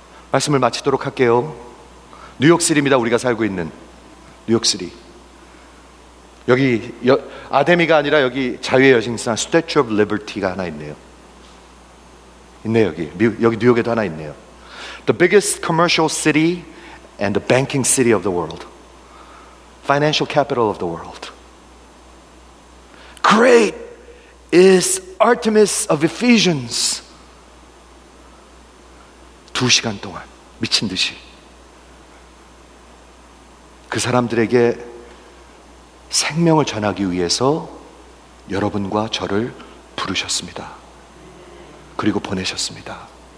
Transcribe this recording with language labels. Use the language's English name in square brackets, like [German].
[Korean] 말씀을 마치도록 할게요. 뉴욕시리입니다. 우리가 살고 있는 뉴욕시리. 여기 아데미가 아니라 여기 자유의 여신상 [English] Statue of Liberty [Korean] 가 하나 있네요. 있네요. 여기 뉴욕에도 하나 있네요. [English] The biggest commercial city and the banking city of the world. Financial capital of the world. Great is Artemis of Ephesians. [Korean] 2시간 동안 미친 듯이 그 사람들에게 생명을 전하기 위해서 여러분과 저를 부르셨습니다. 그리고 보내셨습니다.